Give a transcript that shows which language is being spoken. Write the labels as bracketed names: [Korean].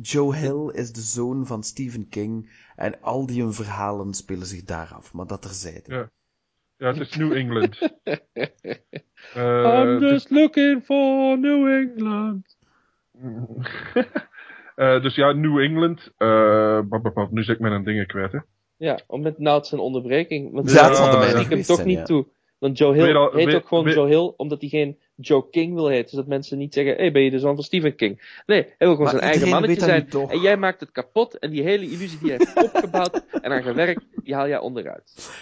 [Dutch] Joe Hill is de zoon van Stephen King en al die hun verhalen spelen zich daar af, maar dat terzijde. Ja. Ja, het is New England. [English] I'm just looking for New England. [Dutch] Dus ja, New England. Nu zit ik mijn dingen kwijt, hè. Ja, om met Nout zijn onderbreking. Want ja, dat had ik hem toch niet toe. Want Joe Hill heet Joe Hill, omdat hij geen Joe King wil heten. Dus dat mensen niet zeggen, hey, ben je de zoon van Stephen King? Nee, hij wil gewoon zijn eigen mannetje zijn. En jij maakt het kapot en die hele illusie die hij heeft opgebouwd en aan gewerkt, die haal jij onderuit.